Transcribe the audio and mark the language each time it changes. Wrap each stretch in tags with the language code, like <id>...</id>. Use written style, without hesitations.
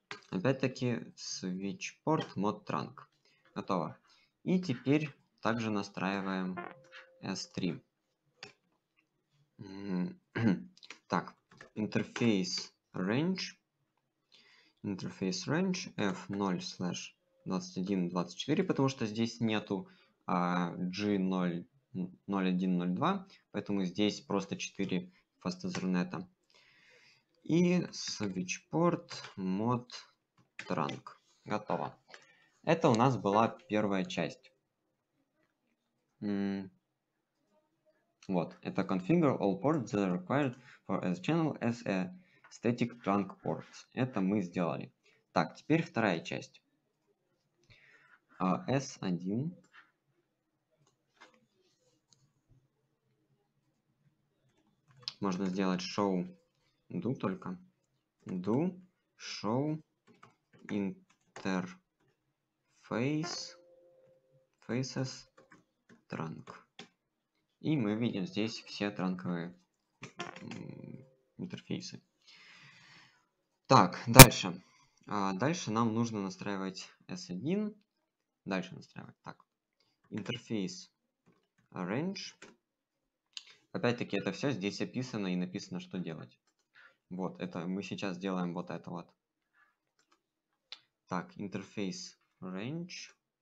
<ru>Опять-таки, switchport mod trunk. Готово. И теперь также настраиваем S3. Так, interface range. Interface range F0/21-24, потому что здесь нету G0102, поэтому здесь просто 4 Fast Ethernet. И switchport mod trunk. Готово. Это у нас была первая часть. Вот. Это</ru> <en>configure all ports that are required for S channel as a static trunk port.</en> <ru>Это мы сделали. Так, теперь вторая часть. S1. Можно сделать show do только.</ru> <en>Do show interface faces trunk.</en> <ru>И мы видим здесь все транковые интерфейсы. Так, дальше. Дальше нам нужно настраивать S1. Дальше настраивать. Так. Interface</ru> <en>Arrange.</en> <ru>Опять-таки, это все здесь описано и написано, что делать. Вот, это мы сейчас делаем вот это вот. Так, interface range.</ru>